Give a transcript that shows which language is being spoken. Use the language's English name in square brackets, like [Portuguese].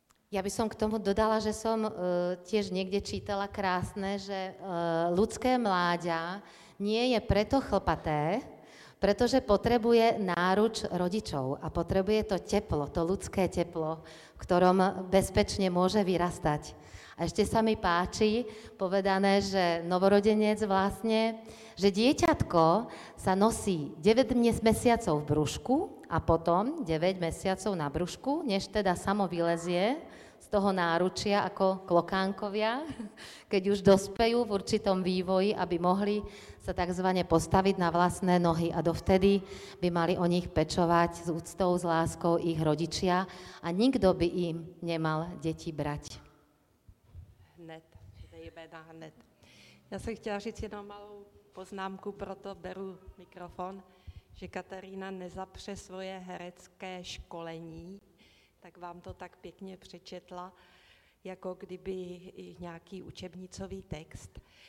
[Czech] Já bych k tomu dodala, že jsem těž někde čítala krásné, že lidské mláďa [Slovak] nie je preto chlpaté, [Czech] protože potřebuje náruč rodičů a potřebuje to teplo, to lidské teplo, v kterém bezpečně může vyrastat. [Slovak] A ještě sa mi páči povedané, že novorodenec vlastně, že dieťatko sa nosí 9 mesiacov v brúšku a potom 9 mesiacov na brúšku, než teda samo vylezie z toho náručia ako klokánkovia, keď už dospejú v určitom vývoji, aby mohli sa takzvane postaviť na vlastné nohy a dovtedy by mali o nich pečovať s úctou, s láskou ich rodičia a nikto by im nemal deti brať. [Czech] Hned. Já jsem chtěla říct jenom malou poznámku, proto beru mikrofon, že Katarína nezapře svoje herecké školení, tak vám to tak pěkně přečetla, jako kdyby nějaký učebnicový text.